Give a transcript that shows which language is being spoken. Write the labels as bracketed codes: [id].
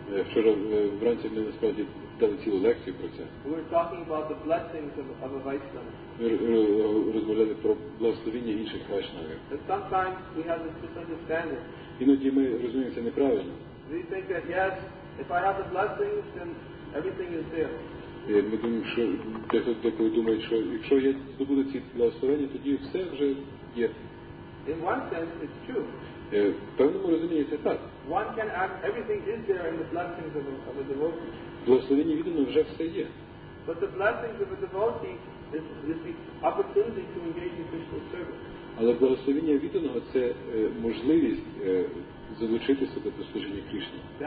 [uk] Вчора вранці ми насправді дали цілу лекцію про це. [en] We were talking about the blessings of a Vaishnava. [uk] Ми розмовляли про благословіння інших вайшнавів. [en] But sometimes we have this misunderstanding. [uk] Іноді ми розуміємо це неправильно. [en] We think that yes, if I have the blessings, then everything is there. [uk] Ми думаємо, що деколи думають, що якщо я здобуду ці благословення, тоді все вже є. [en] In one sense, it's true. [uk] Е, певному розумінні це так. [en] One can ask, everything is there in the blessings of a devotee. [uk] Благословення відомо вже все є. [en] But the blessings of a devotee is the opportunity to engage in Krishna's service. [uk] Але благословення відданого – це можливість залучити себе до служіння Кришні.